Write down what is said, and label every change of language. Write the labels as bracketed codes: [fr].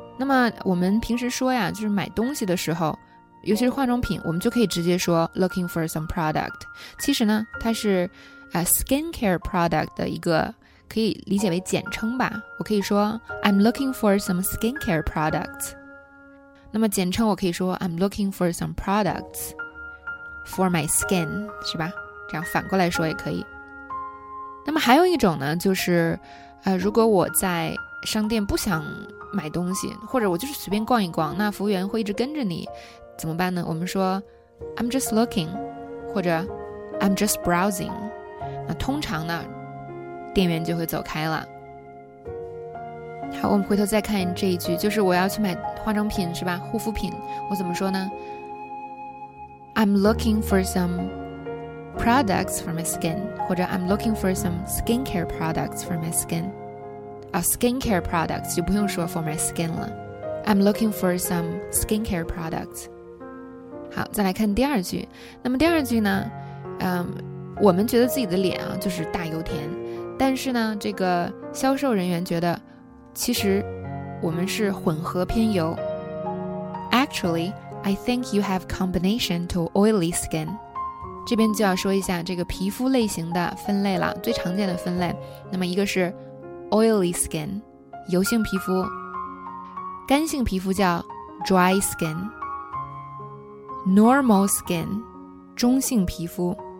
[zh] 那么我们平时说呀，就是买东西的时候，尤其是化妆品，我们就可以直接说 [en] looking for some product。 [zh] 其实呢，它是 skincare product 的一个可以理解为简称吧，我可以说 [en] I'm looking for some skincare products。 [zh] 那么简称我可以说 [en] I'm looking for some products for my skin， [zh] 是吧？这样反过来说也可以。那么还有一种呢，就是如果我在商店不想买东西，或者我就是随便逛一逛，那服务员会一直跟着你怎么办呢？我们说 [en] I'm just looking， [zh] 或者 [en] I'm just browsing。 [zh] 那通常呢店员就会走开了。好，我们回头再看这一句，就是我要去买化妆品，是吧，护肤品，我怎么说呢？ [en] I'm looking for some products for my skin， [zh] 或者 [en] I'm looking for some skincare products for my skin。 skincare products [zh] 就不用说 [en] for my skin [zh] 了， [en] I'm looking for some skincare products。 [zh] 好，再来看第二句。那么第二句呢，我们觉得自己的脸啊就是大油田，但是呢，这个销售人员觉得，其实我们是混合偏油。 [en] Actually, I think you have combination to oily skin。 [zh] 这边就要说一下这个皮肤类型的分类了，最常见的分类。那么一个是 oily skin， 油性皮肤。干性皮肤叫 dry skin。Normal skin， 中性皮肤。